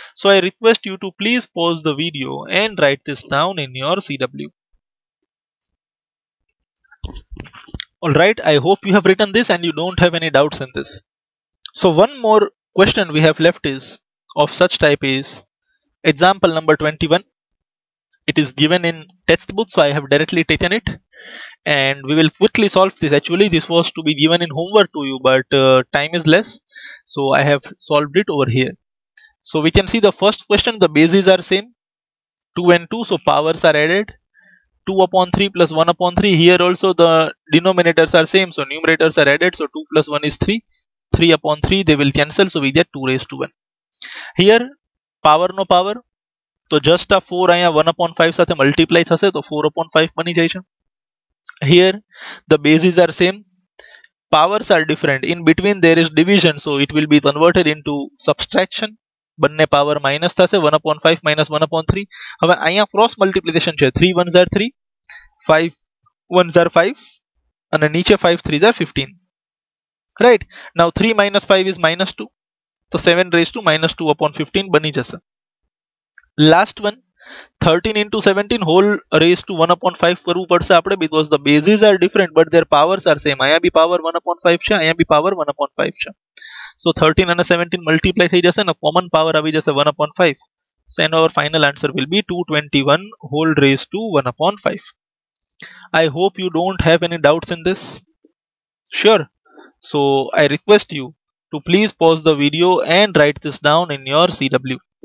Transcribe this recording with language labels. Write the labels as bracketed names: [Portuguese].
[English] So I request you to please pause the video and write this down in your CW. All right, I hope you have written this and you don't have any doubts in this. So one more question we have left is of such type is example number 21. It is given in textbook, so I have directly taken it, and we will quickly solve this. Actually, this was to be given in homework to you, but time is less, so I have solved it over here. So we can see the first question, the bases are same, 2 and 2, so powers are added. 2/3 + 1/3, here also the denominators are same, so numerators are added, so 2 + 1 = 3. 3/3, they will cancel, so we get 2 raised to 1. Here power no power, [Gujarati] તો just આ 4 અહીંયા 1/5 સાથે multiply થશે, તો 4/5 બની જાય છે. [English] Here the bases are same, powers are different, in between there is division, so it will be converted into subtraction. [Gujarati] બંને પાવર માઇનસ થશે, 1/5 - 1/3. હવે અહીંયા ક્રોસ મલ્ટીપ્લિકેશન છે, 3 × 1 = 3, 5 × 1 = 5, અને નીચે 5 × 3 = 15. રાઈટ, નાવ 3 - 5 = -2, તો 7 raised to -2/15 બની જશે. [English] last one 13 × 17 whole raise to 1/5 [Gujarati] કરવું પડશે આપણે, [English] Because the bases are different but their powers are same. [Gujarati] અહીંયા બી પાવર 1/5 છે, અહીંયા બી પાવર 1/5 છે, સો 13 અને 17 મલ્ટીપ્લાય થઈ જશે અને કોમન પાવર આવી જશે 1/5, [English] So, and our final answer will be 221 whole raised to 1 upon 5. I hope you don't have any doubts in this. Sure. So, I request you to please pause the video and write this down in your CW.